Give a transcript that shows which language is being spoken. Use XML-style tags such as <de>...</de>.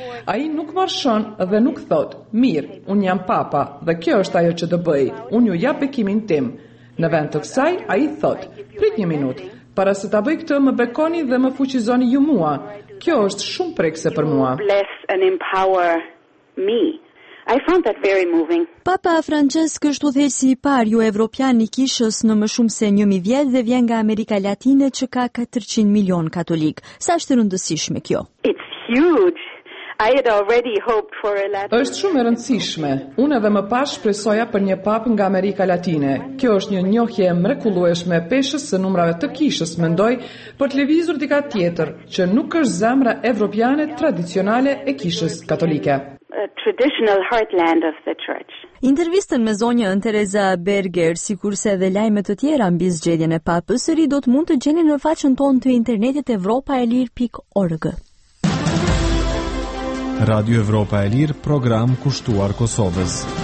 <sq>Ai nuk marshon dhe nuk thot: "Mirë, un jam papa dhe kjo është ajo që do bëj. Un ju jap bekimin tim." Në vend të kësaj, ai thot: "Prit një minutë, para se ta bëj këtë, më bekoni dhe më fuqizoni ju mua. Kjo është shumë prekse për mua."</sq> <en>I found that very moving.</en> <sq>Papa Francesc është udhëheqësi i parë jo evropian i kishës në më shumë se 1000 vjet dhe vjen nga Amerika Latine që ka 400 milion katolik. Sa është rëndësishme kjo?</sq> <en>It's huge. I had already hoped for a Latin.</en> <sq>Është shumë e rëndësishme. Unë edhe më pas shpresoja për një papë nga Amerika Latine. Kjo është një njohje mrekullueshme e peshës së numrave të kishës, mendoj, për të lëvizur diçka tjetër që nuk është zemra evropiane tradicionale e kishës katolike.</sq> <en>A traditional heartland of the church.</en> <sq>Intervistën me zonjën Teresa Berger, sikurse edhe lajme të tjera mbi zgjedhjen e papës së ri, do të mund të gjeni në faqen tonë të internetit evropaelir.org. Radio Evropa e Lirë, program kushtuar Kosovës.</sq>